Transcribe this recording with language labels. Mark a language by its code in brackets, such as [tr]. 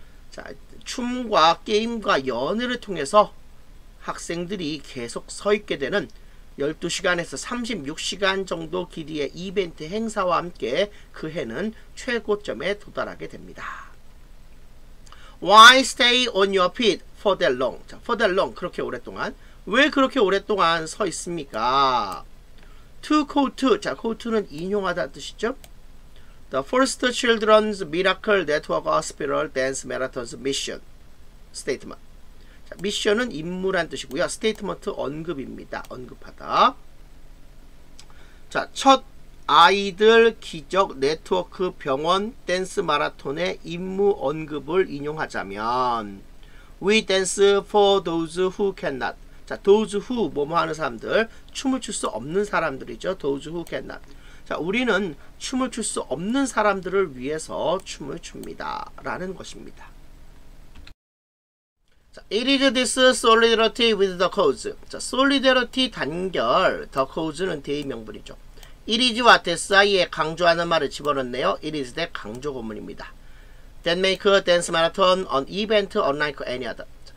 [ko] 자, 춤과 게임과 연애를 통해서 학생들이 계속 서 있게 되는 12시간에서 36시간 정도 길이의 이벤트 행사와 함께 그 해는 최고점에 도달하게 됩니다. [en] Why stay on your feet for that long? [ko] 자, for that long 그렇게 오랫동안. 왜 그렇게 오랫동안 서 있습니까? [en] To quote, 자, quote는 [ko] 인용하다 뜻이죠. [en] The First Children's Miracle Network Hospital Dance Marathon's Mission Statement. [ko] 자, 미션은 임무란 뜻이고요. Statement 언급입니다. 언급하다. 자, 첫 아이들 기적 네트워크 병원 댄스 마라톤의 임무 언급을 인용하자면, [en] We dance for those who cannot. [ko] 자, those who 뭐뭐 하는 사람들, 춤을 출 수 없는 사람들이죠. [en] Those who cannot. [ko] 자, 우리는 춤을 출 수 없는 사람들을 위해서 춤을 춥니다 라는 것입니다. [en] 자, it is this solidarity with the cause. [ko] 자, solidarity 단결, the cause는 대의명분이죠. It is와 that 사이에 강조하는 말을 집어넣네요. It is that 강조고문입니다. [en] That make a dance marathon an event unlike any other.